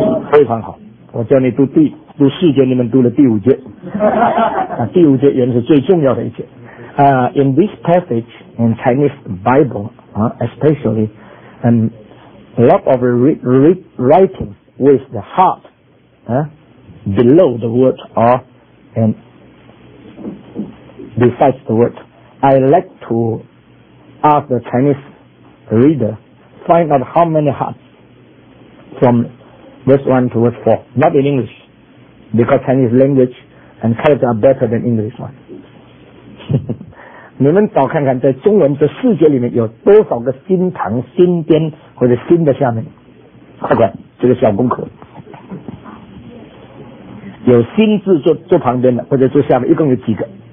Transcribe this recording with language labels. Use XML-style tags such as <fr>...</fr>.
<zh>非常好，我叫你读第读四节，你们读了第五节、啊、第五节原来是最重要的一节。</zh> <en>In this passage in Chinese Bible, especially, a lot of writing with the heart below the word or and besides the word. I like to ask the Chinese reader find out how many hearts from verse 1 to verse 4, not in English, because Chinese language and character are better than English one.</en> <zh>你们找看看在中文这世界里面有多少个心堂心边或者心的下面，快点，这个小功课，有心字坐旁边的或者坐下面，一共有几个？</zh>